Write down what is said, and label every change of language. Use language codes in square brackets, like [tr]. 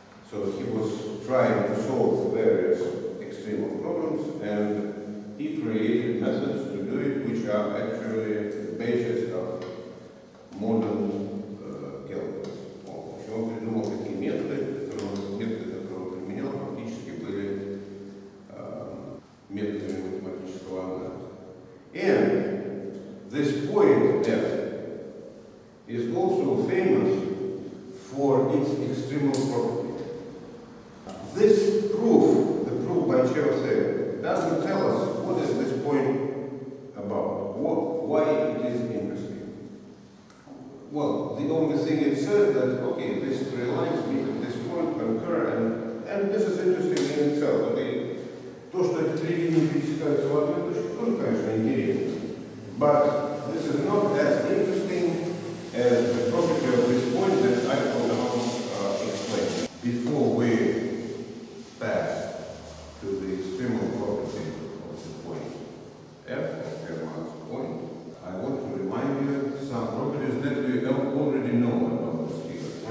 [en] So he was trying to solve various extremal problems, and he created methods to do it, which are actually the basis of modern calculus. [ru] Он еще придумал такие методы, которые он применял, фактически были методами математического анализа. [en] And this point F is also famous for its extremal property. This proof, the proof by Chev theorem, doesn't tell us what is this point about, why it is interesting. Well, the only thing it says that, okay, these three lines meet at this point, concur, and this is interesting in itself. [ru] Okay, то, что эти три линии пересекаются в ответ, это тоже, конечно, интересно. [en] But this is not as interesting as the property of this point that I will now explain. Before we pass to the extremal property of the point F, Firma's point, I want to remind you some properties that we already know about this theorem.